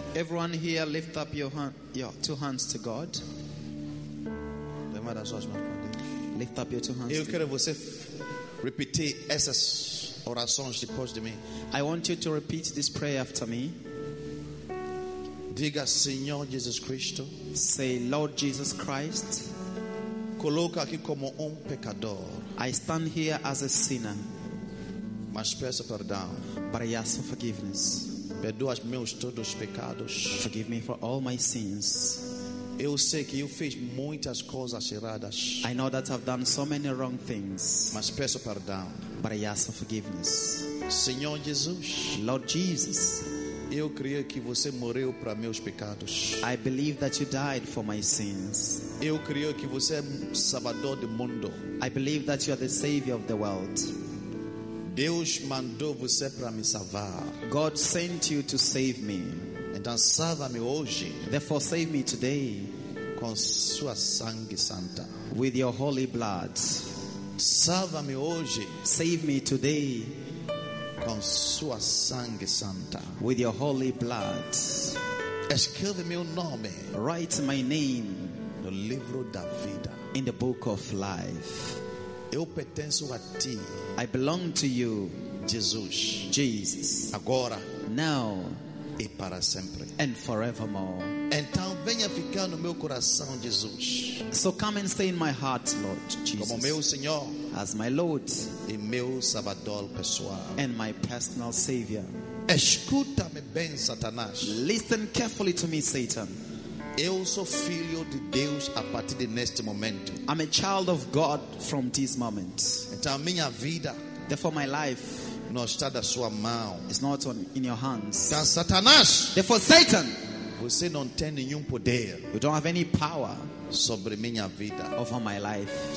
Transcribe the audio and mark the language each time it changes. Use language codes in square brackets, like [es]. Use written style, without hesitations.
[en] Everyone here lift up your hand, your two hands to God. [pt] Levanta suas mãos para Deus. [en] Lift up your two hands. [pt] Eu quero você repetir essas orações depois de mim. [en] I want you to repeat this prayer after me. [pt] Diga Senhor Jesus Cristo. [en] Say Lord Jesus Christ. [pt] Coloca aqui como pecador. [en] I stand here as a sinner. [pt] Mas peço perdão. [en] But I ask for forgiveness. [pt] Perdoa os meus todos os pecados. [en] Forgive me for all my sins. [pt] Eu sei que eu fiz muitas coisas erradas. [en] I know that I've done so many wrong things. [pt] Mas peço perdão. [en] But I ask for forgiveness. [pt] Senhor Jesus. [en] Lord Jesus. [pt] Eu creio que você morreu para meus pecados. [en] I believe that you died for my sins. [pt] Eu creio que você é salvador do mundo. [en] I believe that you are the savior of the world. [pt] Deus mandou você para me salvar. [en] God sent you to save me. [pt] Então salva-me hoje. [en] Therefore save me today. [pt] com sua sangue santa. [en] With your holy blood. [pt] Salva-me hoje. [en] Save me today. [pt] Com sua sangue santa. [en] With your holy blood. [pt] Escreve meu nome. [en] Write my name. [pt] No livro da vida. [en] In the book of life. [pt] Eu pertenço a ti. [en] I belong to you. [pt] Jesus. [en] Jesus. [pt] Agora. [en] Now. [pt] E para sempre. [en] And forevermore. [pt] Então venha ficar no meu coração, Jesus. [en] So come and stay in my heart, Lord Jesus. [pt] Como meu Senhor. [en] As my Lord. [pt] E meu Salvador pessoal. [en] And my personal Savior. [pt] Escuta-me bem, Satanás. [en] Listen carefully to me, Satan. [pt] Eu sou filho de Deus a partir de neste momento. [en] I'm a child of God from this moment. [pt] Então minha vida. [en] Therefore my life. [pt] Não está da sua mão. [en] It's not on, in your hands. [pt] Então Satanás. [en] Therefore Satan. [pt] Você não tem nenhum poder. [en] You don't have any power. [pt] Sobre minha vida. [en] Over my life.